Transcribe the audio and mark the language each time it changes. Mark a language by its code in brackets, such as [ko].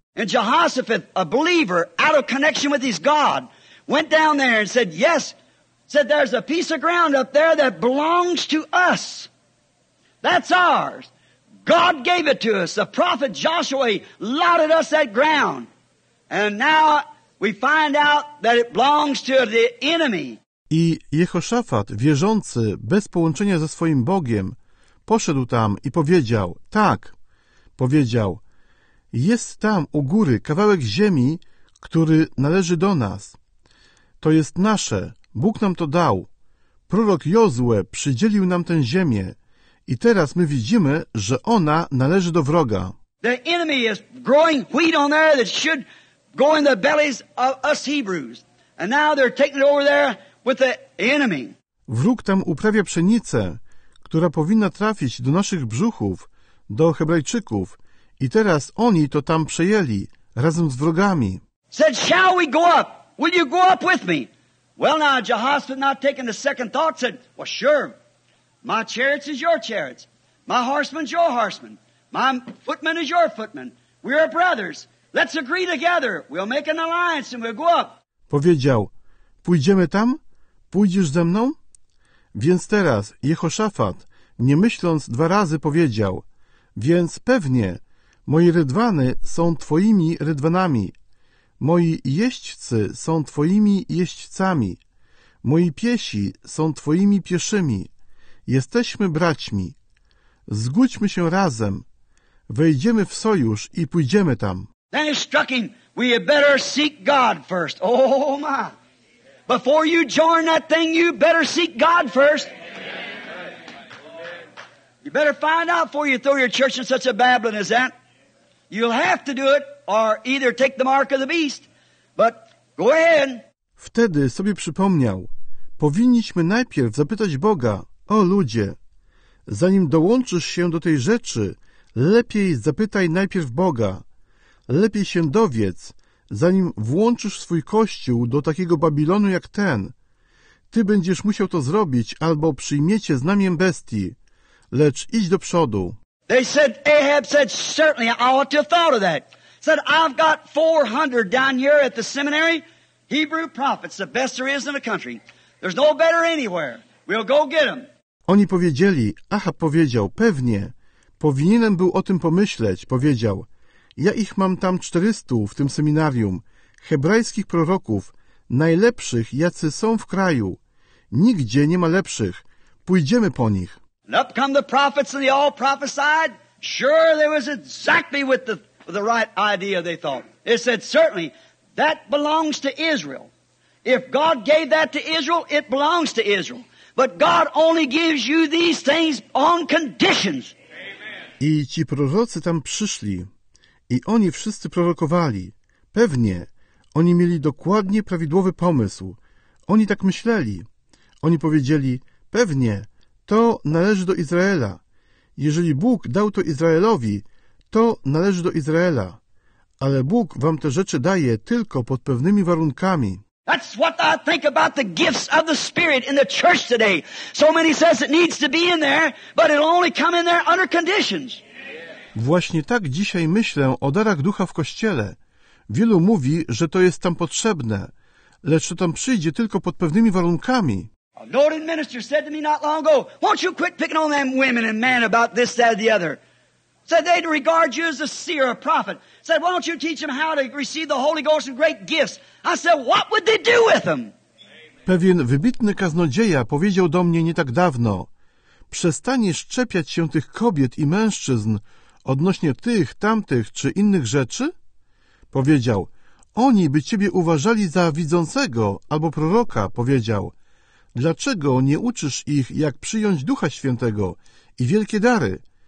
[en] And Jehoshaphat, a believer, out of connection with his God, went down there and said, yes, said there's a piece of ground up there that belongs to us. That's ours. God gave it to us. The prophet Joshua lotted us that ground. And now we find out that it belongs to the enemy. [pl] I Jehoszafat, wierzący, bez połączenia ze swoim Bogiem, poszedł tam i powiedział, tak, powiedział, jest tam u góry kawałek ziemi, który należy do nas. To jest nasze, Bóg nam to dał. Prorok Jozue przydzielił nam tę ziemię i teraz my widzimy, że ona należy do wroga. [en] The enemy is growing wheat on there that should go in the bellies of us Hebrews. And now they're taking it over there. With the enemy. [pl] Wróg tam uprawia pszenicę, która powinna trafić do naszych brzuchów, do Hebrajczyków, i teraz oni to tam przejęli, razem z wrogami. [en] Said, shall we go up? Will you go up with me? Well now, Jehoshaphat, not taking a second thought, said, well sure, my chariots is your chariots, my horseman's your horseman, my footman is your footman, we are brothers, let's agree together, we'll make an alliance and we'll go up. [pl] Powiedział, pójdziemy tam? Pójdziesz ze mną? Więc teraz Jehoszafat, nie myśląc dwa razy, powiedział, więc pewnie moje rydwany są twoimi rydwanami, moi jeźdźcy są twoimi jeźdźcami, moi piesi są twoimi pieszymi, jesteśmy braćmi, zgódźmy się razem, wejdziemy w sojusz i pójdziemy tam. [en] Then it struck him, we had better seek God first. Oh my! Before you join that thing, you better seek God first. You better find out before you throw your church in such a babbling as that. You'll have to do it, or either take the mark of the beast. But go ahead. [pl] Wtedy sobie przypomniał, powinniśmy najpierw zapytać Boga, o ludzie, zanim dołączysz się do tej rzeczy, lepiej zapytaj najpierw Boga. Lepiej się dowiedz, zanim włączysz swój kościół do takiego Babilonu jak ten, ty będziesz musiał to zrobić, albo przyjmiecie znamię bestii. Lecz idź do przodu. [en] They said, Ahab said, certainly, I ought to have thought of that. Said, I've got 400 down here at the seminary, Hebrew prophets, the best there is in the country. There's no better anywhere. We'll go get them. [pl] Oni powiedzieli, Ahab powiedział, pewnie, powinienem był o tym pomyśleć, powiedział, ja ich mam tam 400 w tym seminarium, hebrajskich proroków, najlepszych, jacy są w kraju. Nigdzie nie ma lepszych. Pójdziemy po nich. [en] And up come the prophets and they all prophesied. Sure, there was exactly with the right idea they thought. They said, certainly, that belongs to Israel. If God gave that to Israel, it belongs to Israel. But God only gives you these things on conditions. [pl] I ci prorocy tam przyszli. I oni wszyscy prorokowali. Pewnie oni mieli dokładnie prawidłowy pomysł. Oni tak myśleli. Oni powiedzieli, pewnie to należy do Izraela. Jeżeli Bóg dał to Izraelowi, to należy do Izraela. Ale Bóg wam te rzeczy daje tylko pod pewnymi warunkami. [en] That's what I think about the gifts of the Spirit in the church today. So many says it needs to be in there, but it'll only come in there under conditions. [pl] Właśnie tak dzisiaj myślę o darach ducha w Kościele. Wielu mówi, że to jest tam potrzebne, lecz to tam przyjdzie tylko pod pewnymi warunkami. [en] A noted minister said to me not long ago, won't you quit picking on them women and men about this, that, or the other? Said they'd regard you as a seer, a prophet. Said, won't you teach them how to receive the Holy Ghost and great gifts? I said, what would they do with them? [pl] Pewien wybitny kaznodzieja powiedział do mnie nie tak dawno, przestaniesz szczepiać się tych kobiet i mężczyzn, odnośnie tych, tamtych czy innych rzeczy? powiedział, oni by ciebie uważali za widzącego albo proroka, powiedział, dlaczego nie uczysz ich, jak przyjąć Ducha Świętego i wielkie dary?